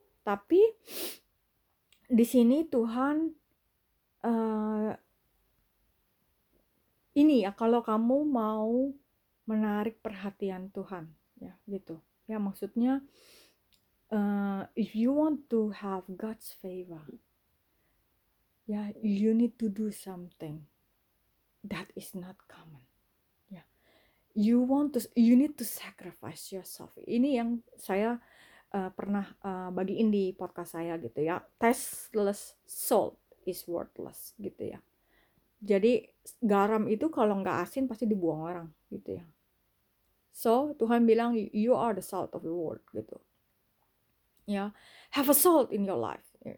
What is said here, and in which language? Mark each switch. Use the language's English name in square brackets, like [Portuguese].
[Indonesian] Tapi di sini Tuhan ini ya, kalau kamu mau menarik perhatian Tuhan, ya gitu. Ya maksudnya, [English] if you want to have God's favor, ya you need to do something that is not common. You want to, you need to sacrifice yourself. [Indonesian] Ini yang saya pernah bagiin di podcast saya gitu ya. [English] Tasteless salt is worthless gitu ya. [Indonesian] Jadi garam itu kalau nggak asin pasti dibuang orang gitu ya. [English] So [Indonesian] Tuhan bilang [English] you are the salt of the world gitu. Ya, have a salt in your life.